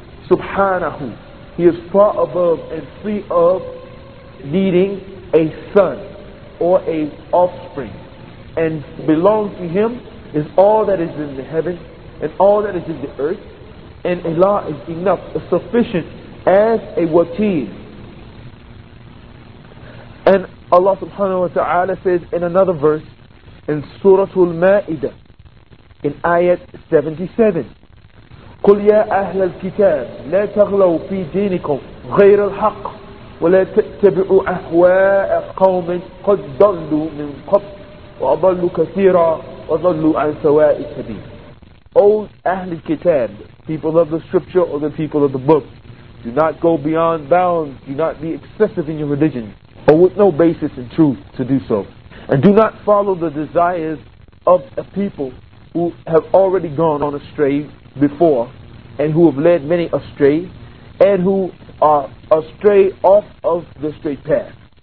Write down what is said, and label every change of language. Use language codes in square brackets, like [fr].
[en] Subhanahu. He is far above and free of needing a son or a offspring. And belong to Him is all that is in the heaven and all that is in the earth. And Allah is enough, sufficient as a wakil. And Allah subhanahu wa ta'ala says in another verse, in Suratul Ma'idah, in Ayat 77, [ar] قُلْ يَا أَهْلَ الْكِتَابِ لَا تَغْلَوْا فِي دِينِكُمْ غَيْرَ الْحَقِّ وَلَا تَتَّبِعُوا أَهْوَاءَ قَوْمٍ قَدْ ضَلُّوا مِنْ قَبْلُ وَأَضَلُّوا كَثِيرًا وَضَلُّوا عَنْ سَوَاءِ السَّبِيلِ. [en] O Ahl al-Kitab, people of the scripture or the people of the book, do not go beyond bounds, do not be excessive in your religion, or with no basis in truth to do so. And do not follow the desires of a people who have already gone on astray before, and who have led many astray, and who are astray off of the straight path.